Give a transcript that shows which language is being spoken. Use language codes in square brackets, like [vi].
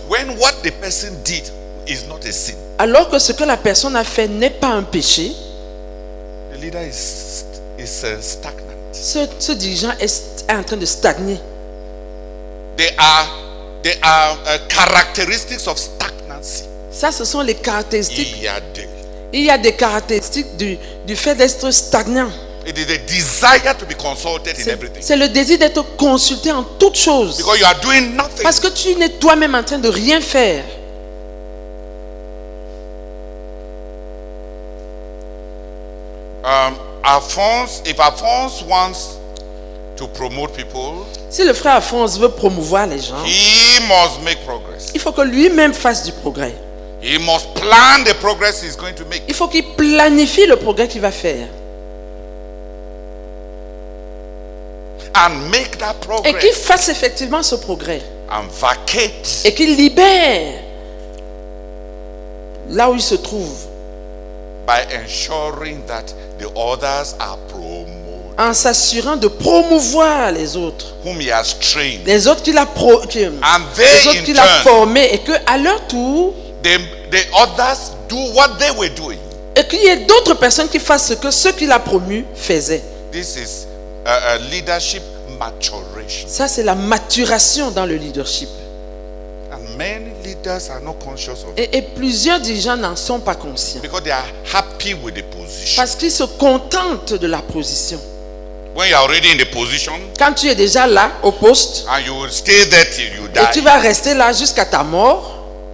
[en] When what the person did is not a sin, [fr] alors que ce que la personne a fait n'est pas un péché, [en] the leader is stuck. [fr] Ce dirigeant est en train de stagner. [en] There are characteristics of stagnancy. [fr] Ça, ce sont les caractéristiques. Il y a des caractéristiques du fait d'être stagnant. [en] It is a desire to be consulted in everything. [fr] C'est le désir d'être consulté en toutes choses. [en] Because you are doing nothing. [fr] Parce que tu n'es toi-même en train de rien faire. [en] If Alphonse wants to promote people, [fr] si le frère Alphonse veut promouvoir les gens, [en] he must make progress. [fr] Il faut que lui-même fasse du progrès. [en] He must plan the progress he's going to make. [fr] Il faut qu'il planifie le progrès qu'il va faire. [en] And make that progress. [fr] Et qu'il fasse effectivement ce progrès. [en] And vacate. [fr] Et qu'il libère là où il se trouve. [en] By ensuring that the others are promoted. [fr] En s'assurant de promouvoir les autres. [en] Whom he has trained. [fr] Les autres qu'il a formés et que à leur tour, [en] the others do what they were doing. [fr] Et qu'il y ait d'autres personnes qui fassent ce que ceux qu'il a promus faisaient. [en] This is a leadership maturation. [fr] Ça c'est la maturation dans le leadership. [en] And many leaders are not conscious of it. [fr] Et plusieurs dirigeants n'en sont pas conscients. [en] Because they are happy with the position. [fr] Parce qu'ils se contentent de la position. [en] When you are already in the position, [fr] quand tu es déjà là au poste, [en] and you will stay there till you die, [fr] et tu vas rester là jusqu'à ta mort,